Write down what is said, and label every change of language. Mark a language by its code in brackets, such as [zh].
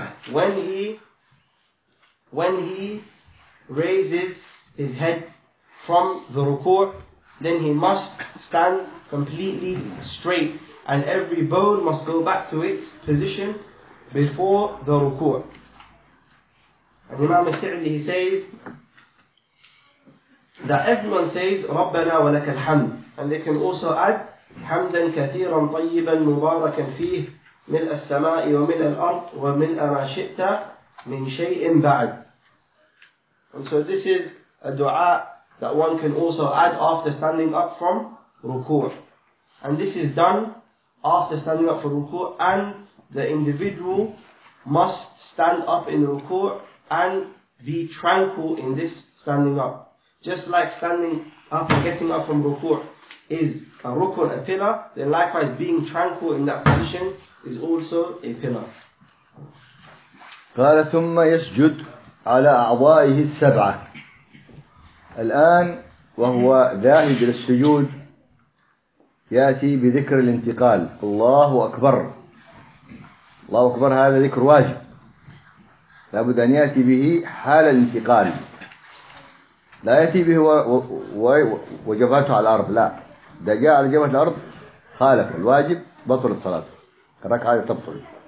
[en] When he raises his head from the ruku', then he must stand completely straight, and every bone must go back to its position before the ruku'. And Imam al-Sa'di, he says that everyone says رَبَّنَا وَلَكَ الْحَمْدُ, and they can also add [ar] حَمْدًا كَثِيرًا طَيِّبًا مُبَارَكًا فِيهِ مِلْءَ السَّمَاءِ وَمِلْءَ الْأَرْضِ وَمِلْءَ مَا شِئْتَ مِنْ شَيْءٍ بَعْدٍ. [en] And so this is a dua that one can also add after standing up from ruku'. And this is done after standing up for ruku', and the individual must stand up in ruku' and be tranquil in this standing up. Just like standing up and getting up from ruku' is a rukun, a pillar, then likewise being tranquil in that position is also a pillar. [ar] قال ثم يسجد على أعضائه السبعة. الآن وهو ذاهب إلى السجود يأتي بذكر الانتقال, الله أكبر الله أكبر, هذا ذكر واجب لا بد أن يأتي به حال الانتقال, لا يأتي به وجبهته على الأرض, لا, إذا جاء على جبهة الأرض خالف الواجب بطل الصلاة, الركعة تبطل.